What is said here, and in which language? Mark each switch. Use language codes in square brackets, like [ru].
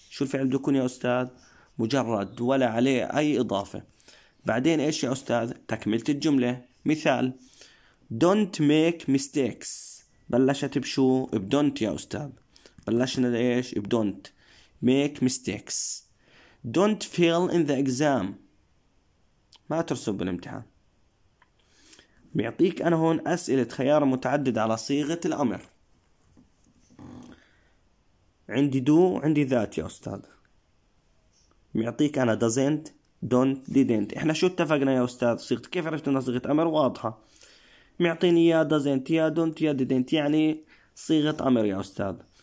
[ar] شو الفعل بده يكون يا أستاذ؟ مجرد ولا عليه أي إضافة. بعدين إيش يا أستاذ؟ تكملت الجملة. مثال [en] don't make mistakes [ar] بلشت بشو؟ بdon't يا أستاذ، بلشنا إيش؟ بdon't. [en] make mistakes. don't fail in the exam [ar] ما ترسب بالامتحان. بيعطيك أنا هون أسئلة خيار متعدد على صيغة الأمر. عندي do عندي that يا أستاذ، بيعطيك أنا doesn't don't didn't. إحنا شو اتفقنا يا أستاذ صيغة؟ كيف عرفت أنها صيغة أمر؟ واضحة، معطيني يا doesn't يا don't يا didn't يعني صيغة أمر يا أستاذ.